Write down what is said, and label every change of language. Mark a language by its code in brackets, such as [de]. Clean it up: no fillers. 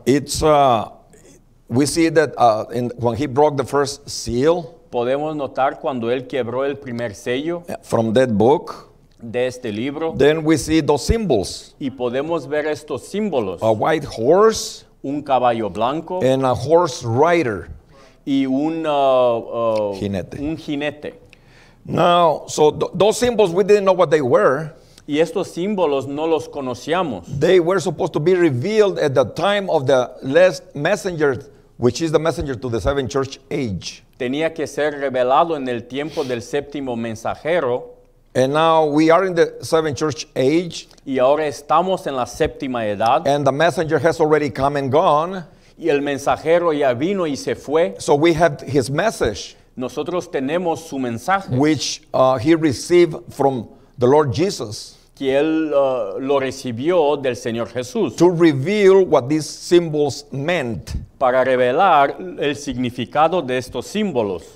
[en] It's we see that when he broke the first seal. [es] Podemos notar cuando él quebró el primer sello. [en] From that book. [es] De este libro. [en] Then we see those symbols. [es] Y podemos ver estos símbolos. [en] A white horse. [es] Un caballo blanco. [en] And a horse rider. [es] Y un jinete. Un jinete. [en] Now, so those symbols, we didn't know what they were. [es] Y estos símbolos no los conocíamos. [en] They were supposed to be revealed at the time of the last messenger, which is the messenger to the seven church age. [es] Tenía que ser revelado en el tiempo del séptimo mensajero. [en] And now we are in the seven church age. [es] Y ahora estamos en la séptima edad. [en] And the messenger has already come and gone. [es] Y el mensajero ya vino y se fue. [en] So we have his message. [es] Nosotros tenemos su mensaje. [en] Which he received from the Lord Jesus. [es] Que él lo recibió del Señor Jesús. [en] To reveal what these symbols meant. [es] Para revelar el significado de estos símbolos.